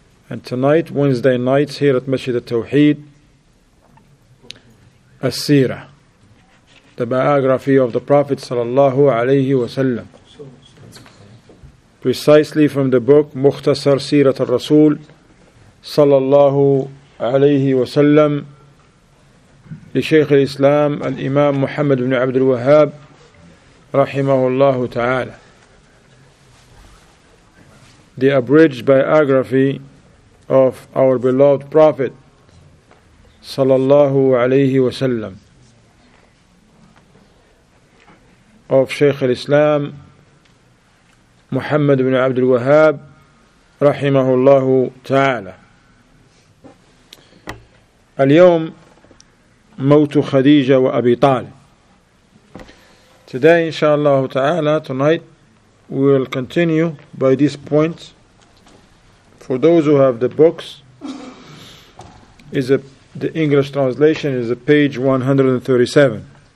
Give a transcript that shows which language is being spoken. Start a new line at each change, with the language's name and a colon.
English: And tonight, Wednesday nights here at Masjid al-Tawheed, As-Sirah, the biography of the Prophet sallallahu alayhi wa sallam, precisely from the book Mukhtasar Sirat al-Rasul sallallahu alayhi wa sallam,
Arabic: لشيخ الإسلام الإمام محمد بن عبد الوهاب رحمه الله تعالى.
English: The abridged biography of our beloved Prophet
Arabic: صلى الله عليه وسلم,
English: of شيخ الإسلام محمد بن عبد الوهاب
Arabic: رحمه الله تعالى. اليوم موت خديجة وأبي طالب.
English: Today, inshallah ta'ala, tonight, we will continue by this point. For those who have the books, the English translation is page 137.